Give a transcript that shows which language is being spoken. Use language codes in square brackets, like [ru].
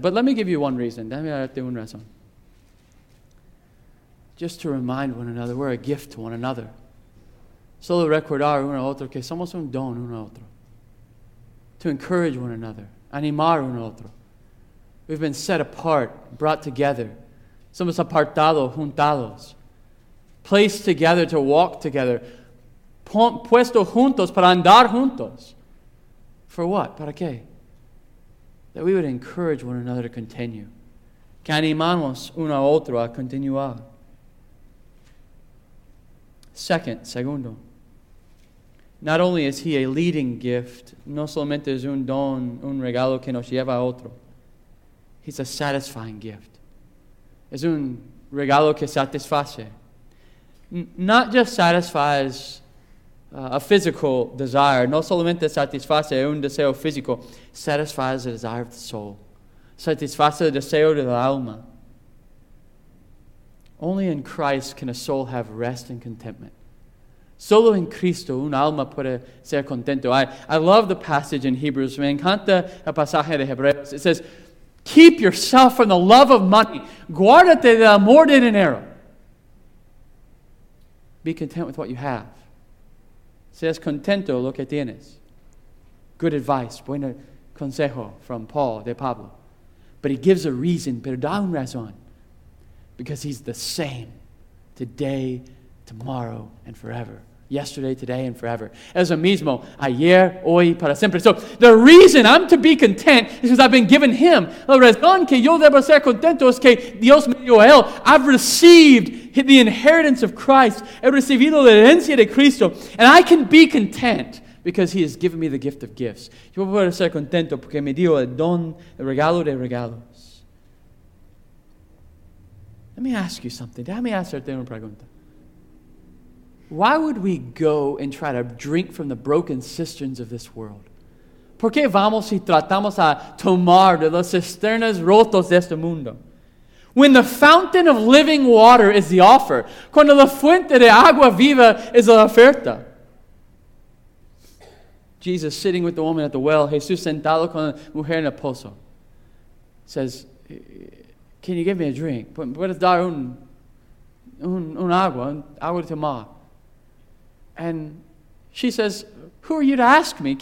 [en] But let me give you one reason. [es] Dame darte una razón. [en] Just to remind one another, we're a gift to one another. [es] Solo recordar uno a otro que somos un don uno a otro. [en] To encourage one another. [es] Animar uno a otro. [en] We've been set apart, brought together. [es] Somos apartados, juntados. [en] Placed together to walk together. [es] Puesto juntos para andar juntos. [en] For what? [es] Para qué? [en] That we would encourage one another to continue. [es] Que animamos uno a otro a continuar. Segundo. [en] Not only is he a leading gift, [es] no solamente es un don, un regalo que nos lleva a otro. [en] He's a satisfying gift. [es] Es un regalo que satisface. [en] Not just satisfies a physical desire. [es] No solamente satisface un deseo físico. [en] Satisfies the desire of the soul. [es] Satisface el deseo de la alma. [en] Only in Christ can a soul have rest and contentment. [es] Solo en Cristo un alma puede ser contento. [en] I love the passage in Hebrews. [es] Me encanta el pasaje de Hebreos. [en] It says, keep yourself from the love of money. [es] Guárdate del amor de dinero. [en] Be content with what you have. [es] Seas contento lo que tienes. [en] Good advice. [es] Buen consejo [en] from Paul, [es] de Pablo. [en] But he gives a reason. [es] Pero da un razón. [en] Because he's the same today, tomorrow, and forever. Yesterday, today, and forever. [es] Es el mismo ayer, hoy, para siempre. [en] So the reason I'm to be content is because I've been given him. [es] La razón que yo debo ser contento es que Dios me dio él. [en] I've received the inheritance of Christ. [es] He recibido la herencia de Cristo. [en] And I can be content because he has given me the gift of gifts. [es] Yo puedo ser contento porque me dio el don, el regalo de regalos. [en] Let me ask you something. [es] Déjame hacerte una pregunta. [en] Why would we go and try to drink from the broken cisterns of this world? [es] ¿Por qué vamos y tratamos a tomar de las cisternas rotas de este mundo? [en] When the fountain of living water is the offer. [es] Cuando la fuente de agua viva es la oferta. [en] Jesus sitting with the woman at the well. [es] Jesús sentado con la mujer en el pozo. [en] Says, can you give me a drink? [es] ¿Puedes dar un agua de tomar? [en] And she says, who are you to ask me?